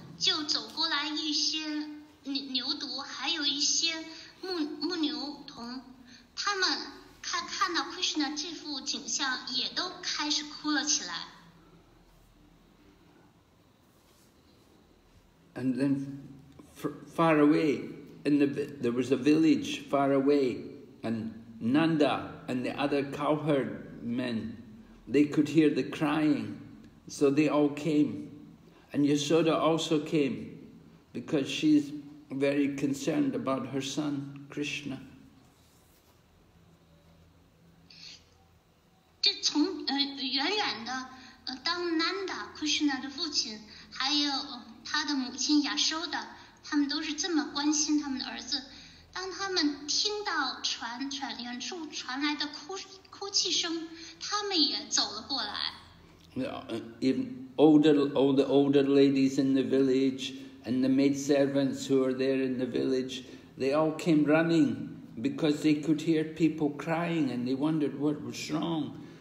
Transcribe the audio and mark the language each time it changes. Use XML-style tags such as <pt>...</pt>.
<zh>就走过来一些牛犊，还有一些牧牛童，他们看到 Krishna 这幅景象，也都开始哭了起来。</zh> <en>And then, far away, in there was a village far away, and Nanda and the other cowherd men, they could hear the crying, so they all came. And Yashoda also came, because she's very concerned about her son, Krishna.</en> <zh>这从远远的，当 Nanda Krishna 的父亲，还有他的母亲 Yashoda， 他们都是这么关心他们的儿子。当他们听到远处传来的哭泣声，他们也走了过来。</zh> <en>even all the older ladies in the village and the maidservants who are there in the village, they all came running because they could hear people crying and they wondered what was wrong.</en>